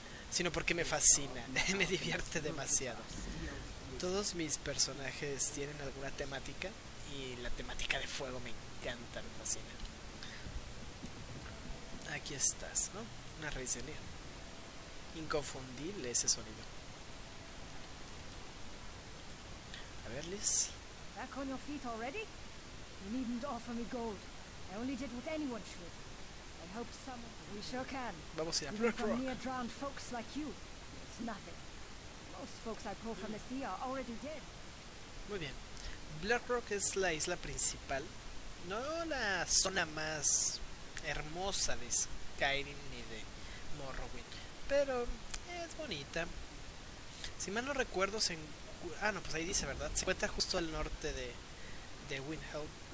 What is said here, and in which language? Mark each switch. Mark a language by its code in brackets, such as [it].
[es] Sino porque me fascina, me divierte demasiado. Todos mis personajes tienen alguna temática y la temática de fuego me encanta, me fascina. Aquí estás, ¿no? Una raíz de león. Inconfundible ese sonido. A ver, Liz. [en] Back on your feet already? You needn't offer me gold. I only did what anyone should. I hope someone. We sure can. [es] Vamos a ir a Blickrock. [en] From near drowned folks like you, it's nothing. Most folks I pull from the sea are already dead. [es] Muy bien. Blackrock es la isla principal, no la zona más hermosa de Skyrim ni de Morrowind, pero es bonita. Si mal no recuerdo, pues ahí dice, ¿verdad? Se encuentra justo al norte de Windhelm.